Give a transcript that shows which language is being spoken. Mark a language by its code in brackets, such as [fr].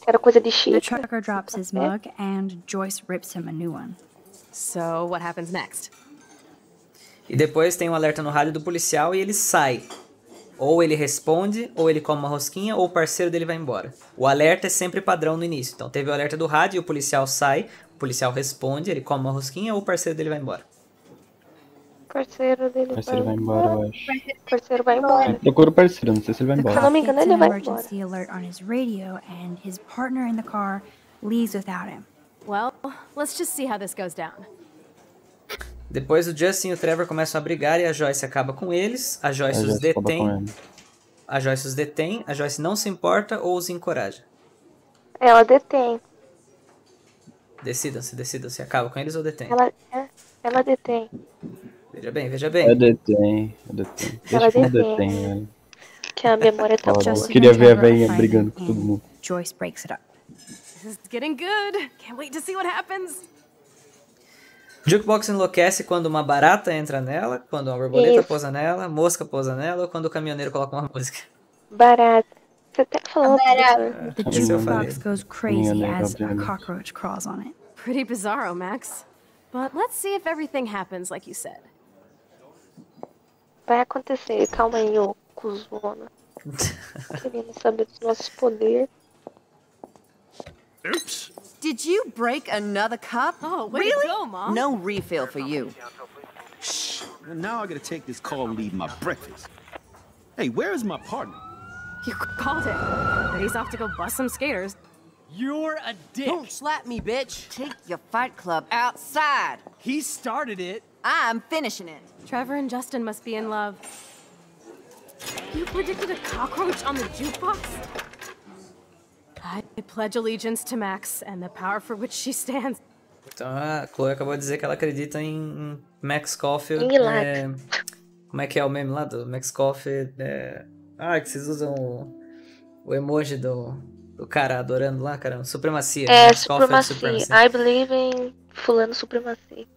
[en] The trucker drops his mug and Joyce rips him a new one. So what happens next? [pt] E depois tem um alerta no rádio do policial e ele sai. Ou ele responde, ou ele come uma rosquinha, ou o parceiro dele vai embora. O alerta é sempre padrão no início. Então teve o alerta do rádio e o policial sai. O policial responde, ele come uma rosquinha, ou o parceiro dele vai embora. parceiro dele. O parceiro vai embora, eu acho. O parceiro vai embora. Eu procuro o parceiro, não sei se ele vai embora. Se não me engano, ele vai embora. [en] Emergency alert on his radio and his partner in the car leaves without him. Well, let's just see how this goes down. [pt] Depois o Justin e o Trevor começam a brigar e a Joyce acaba com eles. A Joyce os detém. A Joyce os detém. A Joyce não se importa ou os encoraja? Ela detém. Decidam-se. Acaba com eles ou detém? Ela detém. Veja bem. Eu detém. Que a memória tá boa. Queria ver a veinha brigando com todo mundo. [en] Joyce breaks it up. This is getting good. Can't wait to see what happens. [pt] Jukebox enlouquece quando uma barata entra nela, quando uma borboleta pousa nela, mosca pousa nela ou quando o caminhoneiro coloca uma música. Barata. Você tá falando barata. [en] The jukebox goes crazy as a cockroach crawls on it. Pretty bizarro, Max. But let's see if everything happens like you said. [pt] Vai acontecer. Calma aí, ô cuzona. Querendo saber dos nossos poderes. [en] Oops. Did you break another cup? Oh, really? Go, Mom. No refill for you. Shh. Now I gotta take this call and leave my breakfast. Hey, where is my partner? You called him. But he's off to go bust some skaters. You're a dick. Don't slap me, bitch. Take your fight club outside. He started it. I'm finishing it. Trevor and Justin must be in love. You predicted a cockroach on the jukebox? I pledge allegiance to Max and the power for which she stands. [pt] Então a Chloe acabou de dizer que ela acredita em Max Caulfield. Como é que é o meme lá do Max Caulfield? Ah, que vocês usam o emoji do cara adorando lá, caramba. Supremacia. É, supremacia. [en] I believe in [pt] fulano supremacia.